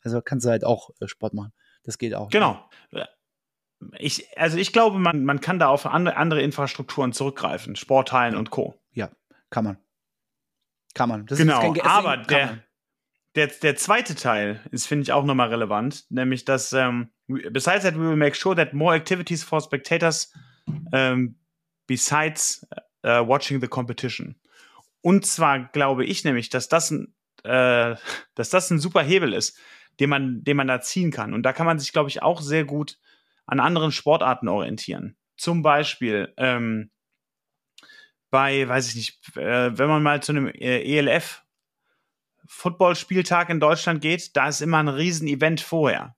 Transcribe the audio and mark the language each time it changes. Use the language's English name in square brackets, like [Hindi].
[German] Also kannst du halt auch Sport machen. Das geht auch. Genau. Ich glaube, man kann da auf andere Infrastrukturen zurückgreifen. Sporthallen und Co. Ja, kann man. Kann man. Das genau, ist kein aber der zweite Teil ist, finde ich, auch nochmal relevant. Nämlich, dass [English] besides that, we will make sure that more activities for spectators besides watching the competition. [German] Und zwar glaube ich nämlich, dass das ein super Hebel ist, den man da ziehen kann. Und da kann man sich, glaube ich, auch sehr gut an anderen Sportarten orientieren. Zum Beispiel wenn man mal zu einem ELF-Footballspieltag in Deutschland geht, da ist immer ein Riesen-Event vorher.